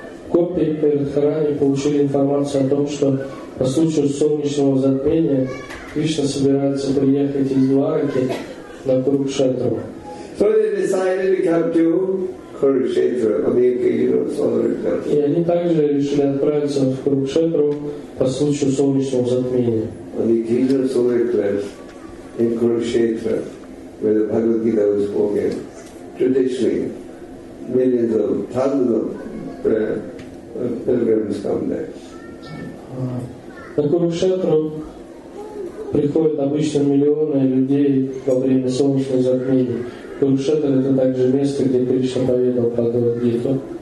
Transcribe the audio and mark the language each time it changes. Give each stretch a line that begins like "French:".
Russian: Гопи перед храмом получили информацию о том, что по случаю солнечного затмения Кришна собирается приехать из Двараки на Курукшетру.
English: So they decided to come to Курукшетру on the occasion of solar eclipse.
Russian: И они также решили отправиться в Курукшетру по случаю солнечного затмения.
English: On the occasion of solar eclipse in Курукшетру, where the Bhagavad Gita was spoken, traditionally millions of thousands of pilgrims come there.
Russian: На Курукшетру приходят обычно миллионы людей во время солнечных затмений. Курукшетра – это также место, где Кришна поведал Бхагавад-гиту.